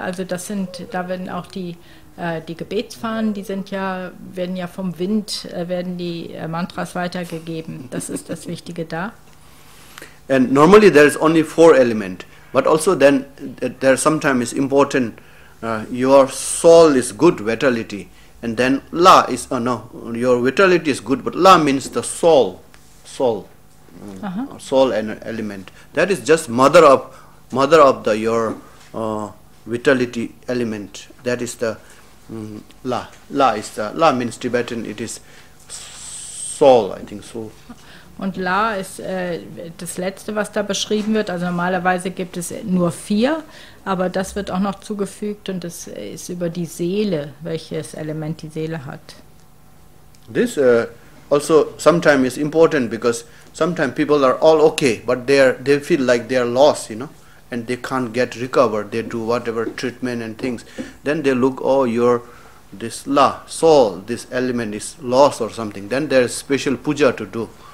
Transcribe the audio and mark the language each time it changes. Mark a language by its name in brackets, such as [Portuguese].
[German] Also das sind, da werden auch die Gebetsfahnen, die sind ja, werden ja vom Wind, werden die Mantras weitergegeben. Das ist das Wichtige da. [English] And normally there is only four element, but also then there sometimes is important, your soul is good, vitality. And then La is, oh no, your vitality is good, but La means the soul, uh-huh. Soul and element. That is just mother of the your vitality element. That is the La. La is the, La means Tibetan, it is soul, I think so. [German] Und La ist das Letzte, was da beschrieben wird. Also normalerweise gibt es nur vier, aber das wird auch noch zugefügt, und das ist über die Seele, welches Element die Seele hat. [English] This also sometimes is important because sometimes people are all okay, but they feel like they are lost, you know, and they can't get recovered. They do whatever treatment and things. Then they look, oh, your this la, soul, this element is lost or something, then there is special puja to do.